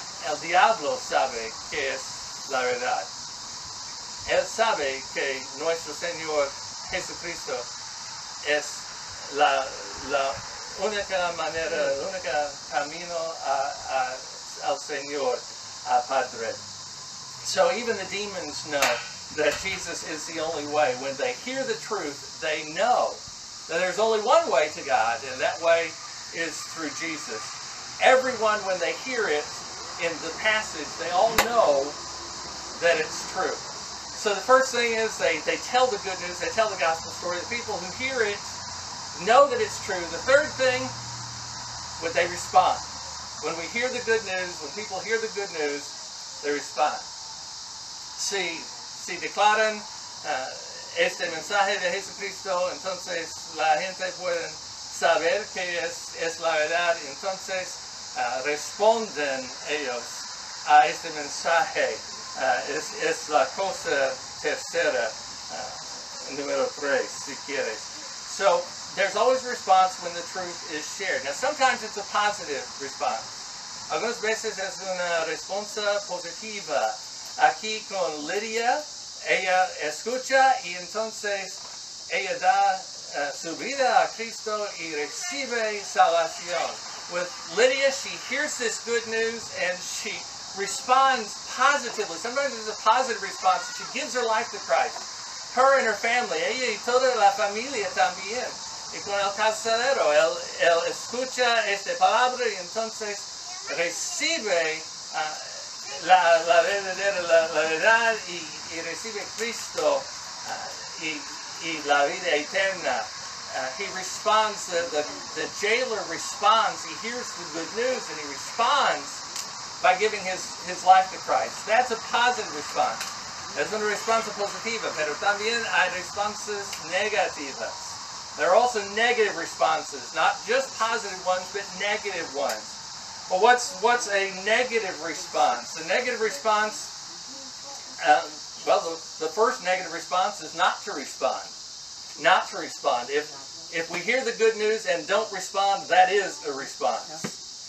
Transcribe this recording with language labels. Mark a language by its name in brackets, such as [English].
[Spanish] El diablo sabe que es la verdad. Él sabe que nuestro Señor Jesucristo es la única manera, el único camino al Señor, al Padre. [English] So even the demons know that Jesus is the only way. When they hear the truth, they know that there's only one way to God, and that way is through Jesus. Everyone, when they hear it in the passage, they all know that it's true. So the first thing is they tell the good news, they tell the gospel story. The people who hear it know that it's true. The third thing, would they respond? When we hear the good news, when people hear the good news, they respond. [Spanish] Si declaran este mensaje de Jesucristo, entonces la gente puede saber que es la verdad. Entonces responden ellos a este mensaje. Es la cosa tercera, número tres, si quieres. [English] So, there's always a response when the truth is shared. Now, sometimes it's a positive response. [Spanish] Algunas veces es una respuesta positiva. Aquí con Lydia, ella escucha y entonces ella da su vida a Cristo y recibe salvación. [English] With Lydia, she hears this good news and she responds positively. Sometimes it's a positive response. She gives her life to Christ. Her and her family, [Spanish] ella y toda la familia también. Y con el carcelero, él escucha esta palabra y entonces recibe la verdad y recibe Cristo y la vida eterna. [English] He responds, the jailer responds, he hears the good news and he responds by giving his life to Christ. That's a positive response. [Spanish] Es una respuesta positiva, pero también hay respuestas negativas. [English] There are also negative responses, not just positive ones, but negative ones. But what's a negative response? A negative response, the first negative response is not to respond. Not to respond. If we hear the good news and don't respond, that is a response.